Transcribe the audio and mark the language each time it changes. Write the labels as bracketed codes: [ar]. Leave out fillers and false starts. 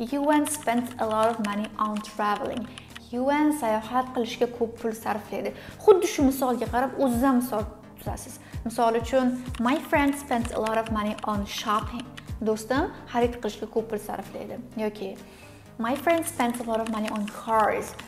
[en] UN spends a lot of money on traveling. [uz] UN sayohat qilishga ko'p pul sarflaydi. Xuddi shu misolga qarab o'zingizga misol tutasiz. Misol uchun [en] my friend spends a lot of money on shopping. [uz] Do'stim xarid qilishga ko'p pul sarflaydi. [en] Yoki my friend spends a lot of money on cars.